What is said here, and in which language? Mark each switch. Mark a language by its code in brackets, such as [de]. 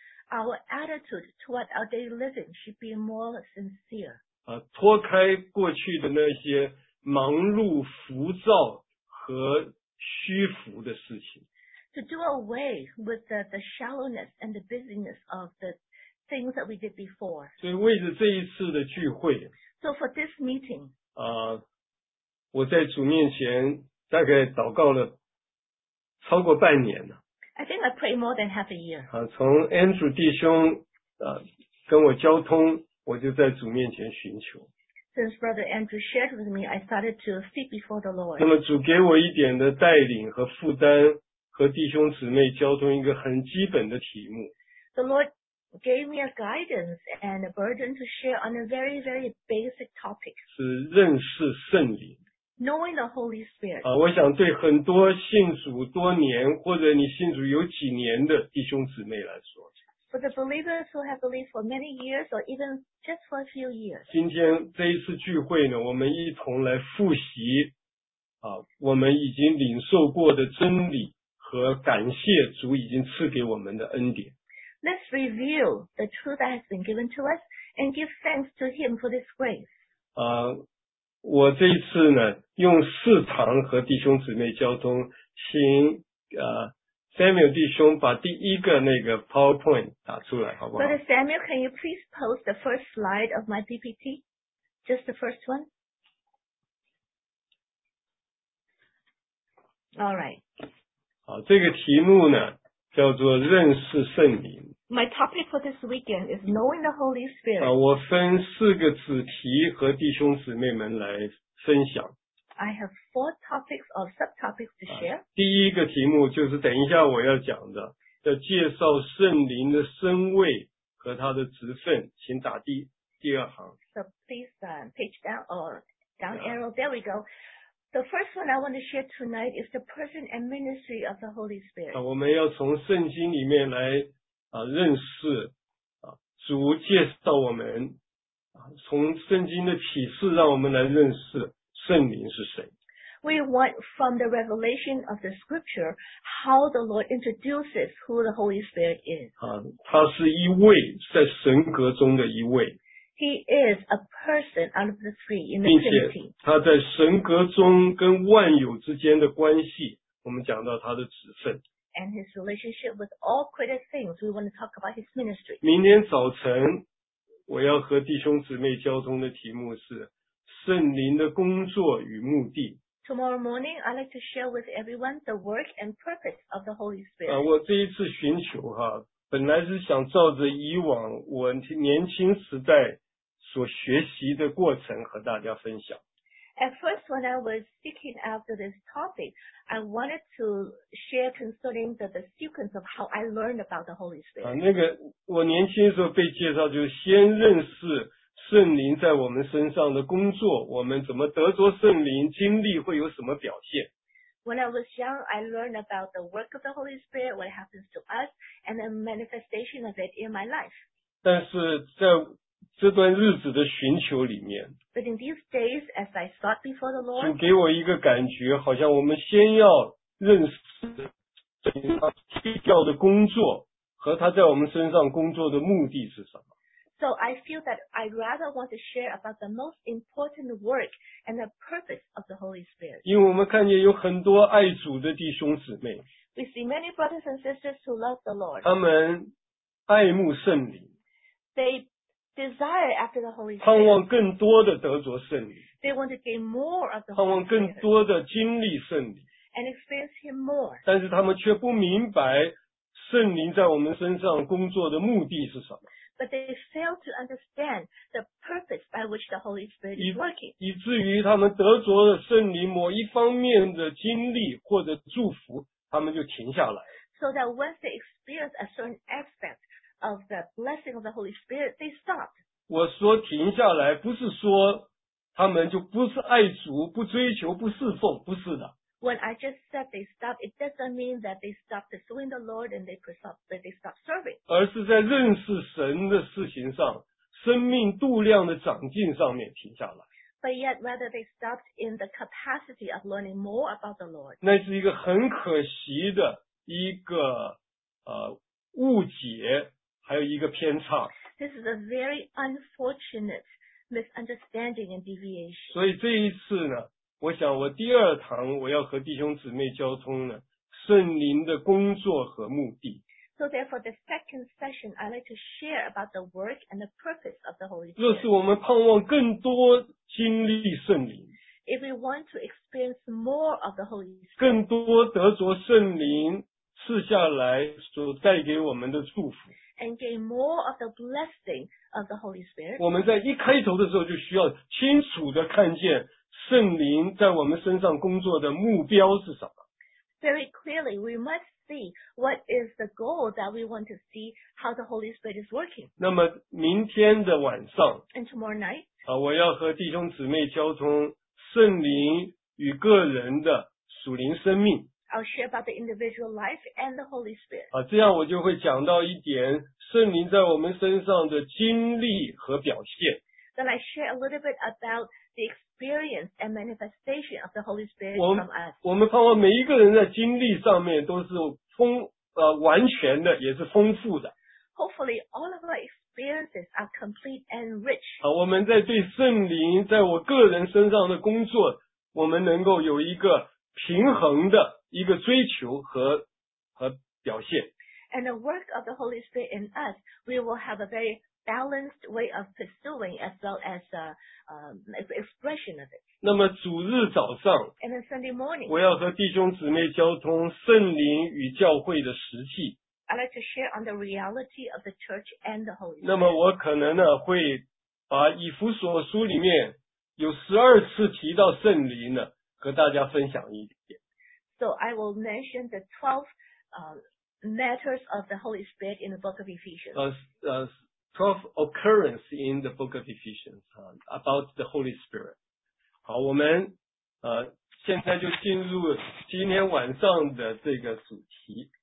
[en] Our attitude toward our daily living should be more sincere. [zh] 脱开过去的那些忙碌、浮躁和虚浮的事情。 [en] To do away with the shallowness and the busyness of the things that we did before. [zh] 所以为着这一次的聚会 [en] ，so for this meeting. [zh] 我在主面前大概祷告了超过半年了。 [en] I think I prayed more than half a year. [zh] 从 Andrew 弟兄跟我交通，我就在主面前寻求。 [en] Since Brother Andrew shared with me, I started to seek before the Lord. [zh] 那么主给我一点的带领和负担，和弟兄姊妹交通一个很基本的题目。 [en] The Lord gave me a guidance and a burden to share on a very, very basic topic. [zh] 是认识圣灵。 [en] Knowing the Holy Spirit. [zh] 我想对很多信主多年或者你信主有几年的弟兄姊妹来说。 [en] For the believers who have believed for many years or even just for a few years. [zh] 今天这一次聚会呢，我们一同来复习我们已经领受过的真理和感谢主已经赐给我们的恩典。 [en] Let's review the truth that has been given to us and give thanks to Him for this grace. [zh] 我这一次呢，用四堂和弟兄姊妹交通，请Samuel 弟兄把第一个那个 PowerPoint 打出来，好不好 [en] ？Brother Samuel, can you please post the first slide of my PPT? Just the first one. All right. [zh] 好，这个题目呢，叫做认识圣灵。 [en] My topic for this weekend is knowing the Holy Spirit. [zh] 我分四个子题和弟兄姊妹们来分享。 [en] I have four topics or subtopics to share. [zh] 第一个题目就是等一下我要讲的，要介绍圣灵的身位和他的职分，请打第二行。 [en] So please page down or down arrow. There we go. The first one I want to share tonight is the person and ministry of the Holy Spirit. [zh] 我们要从圣经里面来认识主介绍我们从圣经的启示让我们来认识圣灵是谁。 [en] We want from the revelation of the scripture how the Lord introduces who the Holy Spirit is. [zh] 他是一位在神格中的一位。 [en] He is a person out of the three in the Trinity. [zh] 并且他在神格中跟万有之间的关系，我们讲到他的职分。 [en] And his relationship with all created things, we want to talk about his ministry. [zh] 明天早晨我要和弟兄姊妹交通的题目是圣灵的工作与目的。 [en] Tomorrow morning, I'd like to share with everyone the work and purpose of the Holy Spirit. [zh] 我这一次寻求哈，本来是想照着以往我年轻时代所学习的过程和大家分享。 [en] At first, when I was seeking after this topic, I wanted to share concerning the sequence of how I learned about the Holy Spirit. [zh] 那个我年轻的时候被介绍就是先认识圣灵在我们身上的工作，我们怎么得着圣灵，经历会有什么表现。 [en] When I was young, I learned about the work of the Holy Spirit, what happens to us, and the manifestation of it in my life. [zh] 但是在这段日子的寻求里面， [en] But in these days, as I sought before the Lord, [zh] 主给我一个感觉，好像我们先要认识圣灵奇妙的工作和他在我们身上工作的目的是什么。 [en] So I feel that I rather want to share about the most important work and the purpose of the Holy Spirit. [zh] 因为我们看见有很多爱主的弟兄姊妹。 [en] We see many brothers and sisters who love the Lord. [zh] 他们爱慕圣灵。 [en] They desire after the Holy Spirit. [zh] 盼望更多的得着圣灵。 [en] They want to gain more of the Holy Spirit. [zh] 盼望更多的经历圣灵。 [en] And experience Him more. [zh] 但是他们却不明白圣灵在我们身上工作的目的是什么。 [en] But they fail to understand the purpose by which the Holy Spirit is working. [zh] 以至于他们得着了圣灵某一方面的经历或者祝福，他们就停下来。 [en] So that once they experience a certain aspect of the blessing of the Holy Spirit, they stop. [zh] 我说停下来，不是说他们就不是爱主、不追求、不侍奉，不是的。 [en] When I just said they stop, it doesn't mean that they stop pursuing the Lord and they stop serving. [zh] 而是在认识神的事情上，生命度量的长进上面停下来。 [en] But yet rather they stopped in the capacity of learning more about the Lord. [zh] 那是一个很可惜的一个误解，还有一个偏差。 [en] This is a very unfortunate misunderstanding and deviation. [zh] 所以这一次呢，我想我第二堂我要和弟兄姊妹交通呢，圣灵的工作和目的。 [en] So therefore the second session I'd like to share about the work and the purpose of the Holy Spirit. [zh] 若是我们盼望更多经历圣灵， [en] If we want to experience more of the Holy Spirit, [zh] 更多得着圣灵赐下来所带给我们的祝福， [en] And gain more of the blessing of the Holy Spirit, [zh] 我们在一开头的时候就需要清楚地看见圣灵在我们身上工作的目标是什么。 [en] Very clearly, we must see what is the goal that we want to see how the Holy Spirit is working. [zh] 那么明天的晚上 [en] And tomorrow night, [zh] 我要和弟兄姊妹交通圣灵与个人的属灵生命。 [en] I'll share about the individual life and the Holy Spirit. [zh] 这样我就会讲到一点圣灵在我们身上的经历和表现。 [en] Then I share a little bit about the experience and manifestation of the Holy Spirit from us. [zh] 我们盼望每一个人在经历上面都是完全的，也是丰富的。 [en] Hopefully, all of our experiences are complete and rich. [zh] 我们在对圣灵在我个人身上的工作，我们能够有一个平衡的一个追求和表现。 [en] And the work of the Holy Spirit in us, we will have a very balanced way of pursuing as well as expression of it. [zh] 那么主日早上 [en] And then Sunday morning, [zh] 我要和弟兄姊妹交通圣灵与教会的实际。 [en] I'd like to share on the reality of the church and the Holy Spirit. [zh] 那么我可能呢会把以弗所书里面有12次提到圣灵呢和大家分享一点。 [en] So I will mention the 12 matters of the Holy Spirit in the book of Ephesians. 12 occurrence in the book of Ephesians, about the Holy Spirit. [zh] 好，我们现在就进入今天晚上的这个主题。